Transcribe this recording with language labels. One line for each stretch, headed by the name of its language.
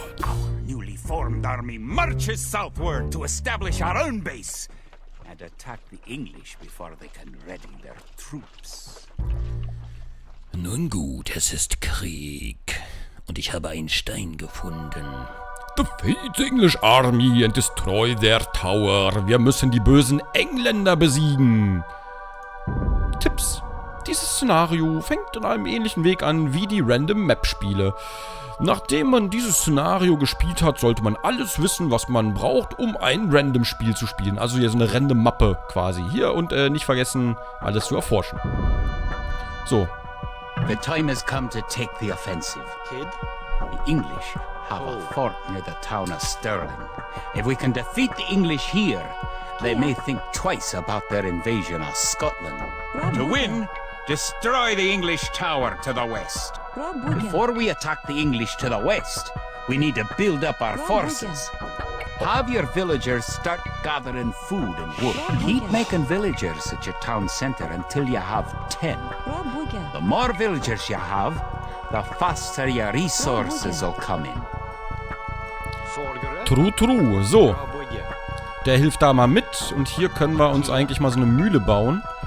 English: Our newly formed army marches southward to establish our own base and attack the English before they can ready their troops.
German: Nun gut, es ist Krieg. Und ich habe einen Stein gefunden.
English: Defeat the English army and destroy their tower.
German: Wir müssen die bösen Engländer besiegen. Tipps. Dieses Szenario fängt in einem ähnlichen Weg an wie die Random Map Spiele. Nachdem man dieses Szenario gespielt hat, sollte man alles wissen, was man braucht, um ein Random Spiel zu spielen. Also hier so eine Random Mappe quasi hier und nicht vergessen, alles zu erforschen. So.
English: The time has come to take the offensive, kid. The English have a fort near the town of Stirling. If we can defeat the English here, they may think twice about their invasion of Scotland. To win, destroy the English tower to the west. Before we attack the English to the west, we need to build up our forces. Have your villagers start gathering food and wood. Keep making villagers at your town center until you have 10. The more villagers you have, the faster your resources will come in. True, true.
German: So. Der hilft da mal mit. Und hier können wir uns eigentlich mal so eine Mühle bauen.